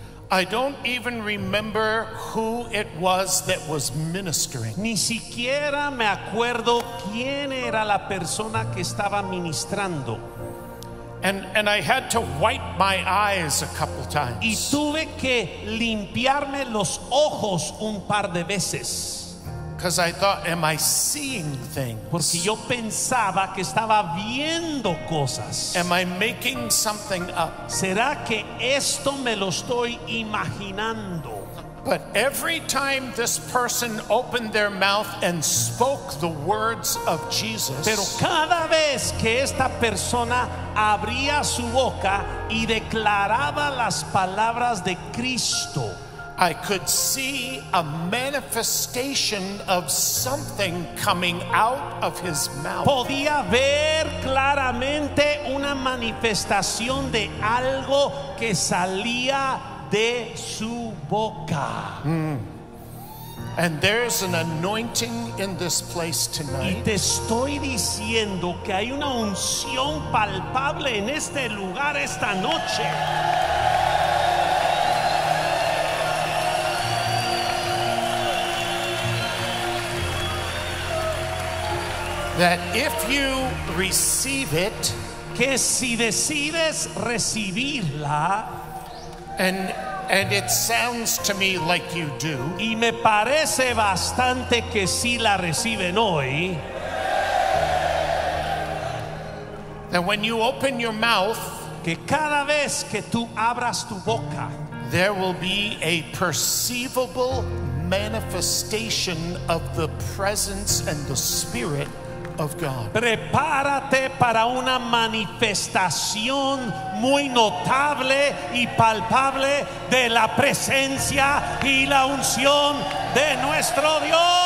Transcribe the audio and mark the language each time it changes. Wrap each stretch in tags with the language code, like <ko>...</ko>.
<en>I don't even remember who it was that was ministering.</en> <es>Ni siquiera me acuerdo quién era la persona que estaba ministrando.</es> <en>And I had to wipe my eyes a couple times.</en> <es>Y tuve que limpiarme los ojos un par de veces.</es> <en>Because I thought, am I seeing things?</en> <es>Porque yo pensaba que estaba viendo cosas.</es> <en>Am I making something up?</en> <es>¿Será que esto me lo estoy imaginando?</es> <en>But every time this person opened their mouth and spoke the words of Jesus.</en> <es>Pero cada vez que esta persona abría su boca y declaraba las palabras de Cristo,</es> <en>I could see a manifestation of something coming out of his mouth.</en> <es>Podía ver claramente una manifestación de algo que salía de su boca.</es> <en>And there's an anointing in this place tonight.</en> <es>Y te estoy diciendo que hay una unción palpable en este lugar esta noche.</es> <en>That if you receive it,</en> <es>que si decides recibirla,</es> <en>and it sounds to me like you do,</en> <es>y me parece bastante que si la reciben hoy,</es> <en>that when you open your mouth,</en> <es>que cada vez que tú abras tu boca,</es> <en>there will be a perceivable manifestation of the presence and the Spirit. of God.</en> <es>Prepárate para una manifestación muy notable y palpable de la presencia y la unción de nuestro Dios.</es>